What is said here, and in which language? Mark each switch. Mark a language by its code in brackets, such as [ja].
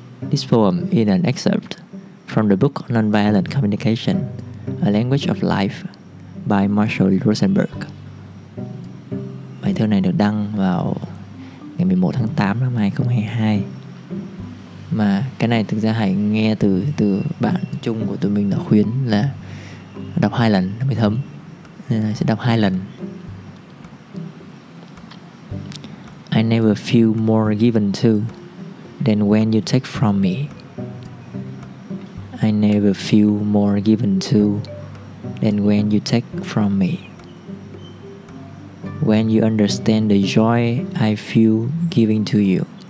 [en] This poem is an excerpt from the book Nonviolent Communication, A Language of Life by Marshall Rosenberg. [vi] Bài thơ này được đăng vào ngày 11 tháng 8 năm 2022. Mà cái này thực ra Hải nghe từ bạn chung của tụi mình, là khuyến là đọc hai lần mới thấm, nên là sẽ đọc hai lần. [en] I never feel more given to than when you take from me. I never feel more given to than when you take from me. When you understand the joy I feel giving to you.